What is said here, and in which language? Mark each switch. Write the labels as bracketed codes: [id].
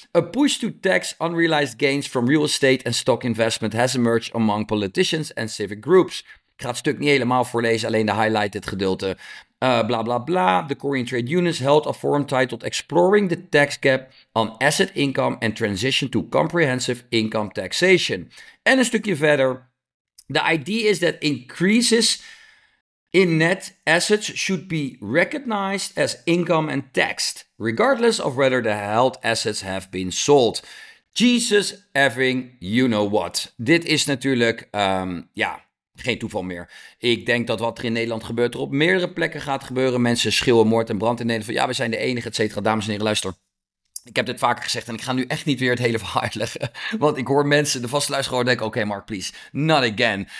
[en] A push to tax unrealized gains from real estate and stock investment has emerged among politicians and civic groups. [nl] Ik ga het stuk niet helemaal voorlezen, alleen de highlighted gedeelte. Bla bla bla. [en] The Korean Trade Unions held a forum titled Exploring the Tax Gap on Asset Income and Transition to Comprehensive Income Taxation. [nl] En een stukje verder. [en] The idea is that increases in net assets should be recognized as income and taxed, regardless of whether the held assets have been sold. Jesus effing, you know what. [nl] Dit is natuurlijk, geen toeval meer. Ik denk dat wat er in Nederland gebeurt, er op meerdere plekken gaat gebeuren. Mensen schreeuwen moord en brand in Nederland. Van, ja, we zijn de enige, et cetera. Dames en heren, luister. Ik heb dit vaker gezegd en ik ga nu echt niet weer het hele verhaal uitleggen. Want ik hoor mensen, de vaste luisteraar, denken, oké, Mark, [en] please, not again.